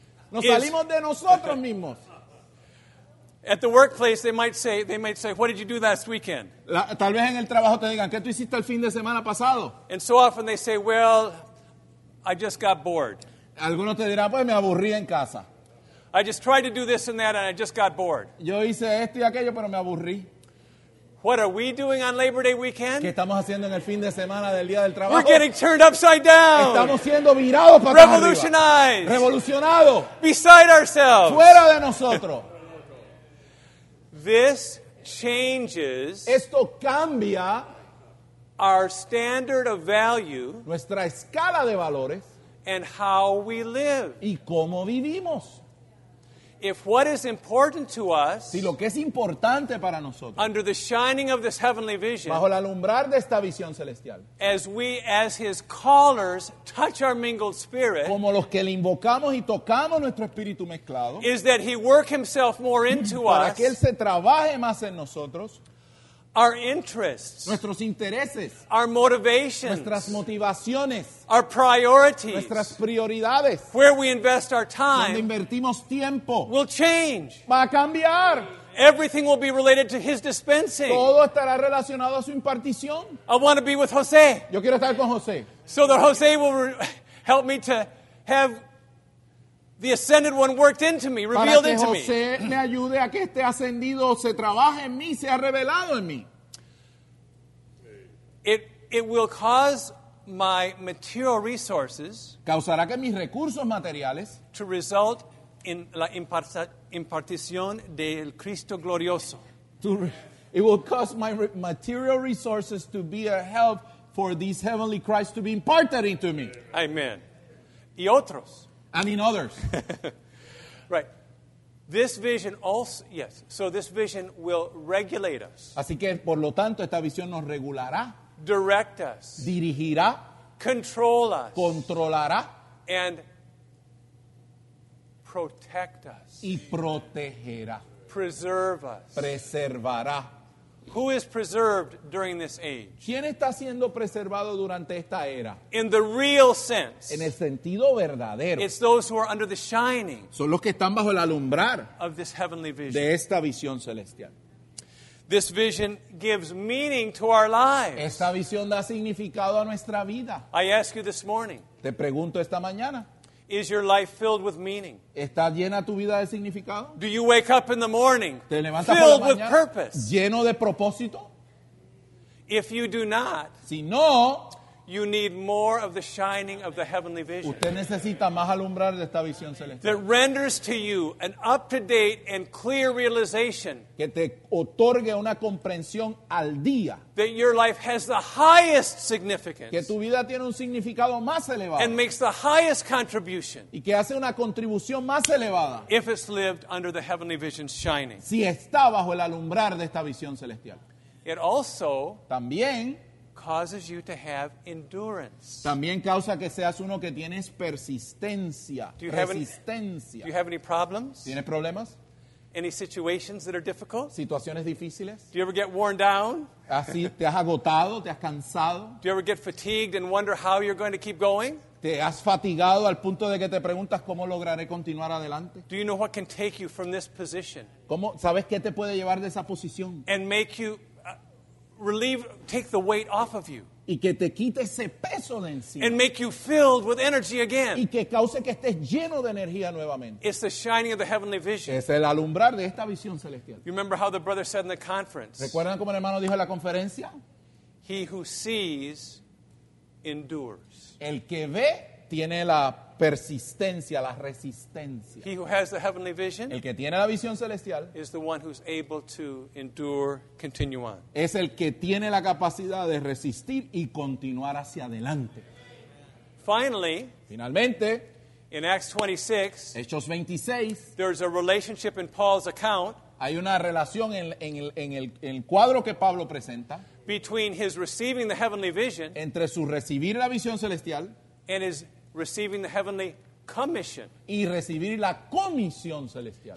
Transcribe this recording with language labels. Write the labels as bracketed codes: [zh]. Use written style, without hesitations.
[es] Nos salimos de nosotros mismos. [en] At the workplace, they might say, "What did you do last weekend?" [es] Tal vez en el trabajo te digan, ¿qué tú hiciste el fin de semana pasado? [en] And so often they say, "Well, I just got bored." [es] Algunos te dirán, pues me aburrí en casa. [en] I just tried to do this and that, and I just got bored. [es] Yo hice esto y aquello, pero me aburrí. [en] What are we doing on Labor Day weekend? [es] ¿Qué estamos haciendo en el fin de semana del día del trabajo? [en] We're getting turned upside down. [es] Estamos siendo virados para [en] revolutionized. [es] Arriba. Revolucionado. [en] Beside ourselves. [es] Fuera de nosotros. [en] This changes. [es] Esto cambia [en] our standard of value. [es] Nuestra escala de valores. [en] And how we live. [es] Y cómo vivimos. [en] If what is important to us, [es] si lo que es importante para nosotros, [en] under the shining of this heavenly vision, [es] bajo el alumbrar de esta visión celestial, [en] as we, as his callers, touch our mingled spirit, [es] como los que le invocamos y tocamos nuestro espíritu mezclado, [en] is that he work himself more into [es] para [en] us, [es] para que él se trabaje más en nosotros, [en] our interests, [es] nuestros intereses, [en] our motivations, [es] nuestras motivaciones, [en] our priorities, [es] nuestras prioridades, [en] where we invest our time, [es] donde invertimos tiempo, [en] will change, [es] va a cambiar. [en] Everything will be related to his dispensing. [es] Todo estará relacionado a su impartición. [en] I want to be with Jose. [es] Yo quiero estar con Jose. [en] So that Jose will help me to have the ascended one worked into me, revealed into me. [es] Para que José me ayude a que este ascendido se trabaje en mí, sea revelado en mí. [en] It it will cause my material resources [es] causará que mis recursos materiales [en] to result in [es] la impartición del Cristo glorioso. [en] It will cause my material resources to be a help for these heavenly Christ to be imparted into me. [es] Amen. Y otros. [en] And in others. Right. This vision also, yes, so this vision will regulate us. [es] Así que, por lo tanto, esta visión nos regulará. [en] Direct us. [es] Dirigirá. [en] Control us. [es] Controlará. [en] And protect us. [es] Y protegerá. [en] Preserve us. [es] Preservará. [en] Who is preserved during this age? [es] ¿Quién está siendo preservado durante esta era? [en] In the real sense. [es] En el sentido verdadero. [en] It's those who are under the shining. [es] Son los que están bajo el alumbrar. [en] Of this heavenly vision. [es] De esta visión celestial. [en] This vision gives meaning to our lives. [es] Esta visión da significado a nuestra vida. [en] I ask you this morning. [es] Te pregunto esta mañana. [en] Is your life filled with meaning? [es] ¿Está llena tu vida de significado? [en] Do you wake up in the morning [es] ¿Te levantas [en] filled [es] por la mañana, [en] with purpose? [es] ¿Lleno de propósito? [en] If you do not, [es] si no, [en] you need more of the shining of the heavenly vision. [es] Usted necesita más alumbrar de esta visión celestial. [en] That renders to you an up-to-date and clear realization. [es] Que te otorgue una comprensión al día. [en] That your life has the highest significance. [es] Que tu vida tiene un significado más elevado. [en] And makes the highest contribution. [es] Y que hace una contribución más elevada. [en] If it's lived under the heavenly vision's shining. [es] Si está bajo el alumbrar de esta visión celestial. [en] It also [es] también [en] causes you to have endurance. [es] También causa que seas uno que tienes persistencia. [en] Do you have any problems? [es] ¿Tienes problemas? [en] Any situations that are difficult? [es] ¿Situaciones difíciles? [en] Do you ever get worn down? [es] ¿Así te has agotado, te has cansado? [en] Do you ever get fatigued and wonder how you're going to keep going? [es] ¿Te has fatigado al punto de que te preguntas cómo lograré continuar adelante? [en] Do you know what can take you from this position? [es] ¿Cómo sabes qué te puede llevar de esa posición? [en] And make you relieve, take the weight off of you. [es] Y que te quite ese peso de encima. [en] And make you filled with energy again. [es] Y que cause que estés lleno de energía nuevamente. [en] It's the shining of the heavenly vision. [es] Es el alumbrar de esta visión celestial. [en] You remember how the brother said in the conference? [es] ¿Recuerdan cómo el hermano dijo en la conferencia? [en] He who sees endures. [es] El que ve tiene la persistencia, la resistencia. [en] He who has the heavenly vision, [es] el que tiene la visión celestial, [en] is the one who's able to endure, continue on. [es] Es el que tiene la capacidad de resistir y continuar hacia adelante. [en] Finally, [es] finalmente, [en] in Acts 26, [es] Hechos 26, [en] there's a relationship in Paul's account. [es] Hay una relación en el cuadro que Pablo presenta [en] between his receiving the heavenly vision, [es] entre su recibir la visión celestial, [en] and his receiving the heavenly commission. [es] Y recibir la comisión celestial.